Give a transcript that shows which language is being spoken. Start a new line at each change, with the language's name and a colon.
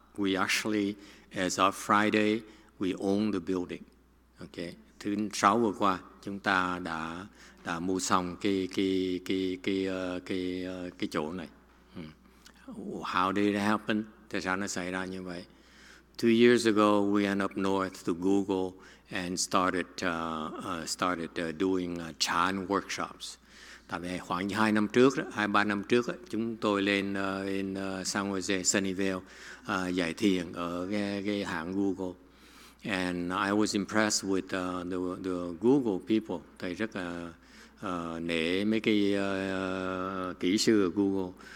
English: We actually, as of Friday, we own the building. Okay.
Vietnamese: Thứ sáu vừa qua chúng ta đã mua xong cái chỗ này.
English: How did it happen?
Vietnamese: Tại sao nó xảy ra như vậy?
English: 2 years ago we went up north to Google and started doing chan workshops.
Vietnamese: Tại vì khoảng 2 năm trước, 2-3 năm trước, chúng tôi lên San Jose, Sunnyvale, giải thiền ở cái hãng Google.
English: And I was impressed with the Google people.
Vietnamese: Thầy rất nể mấy cái kỹ sư ở Google.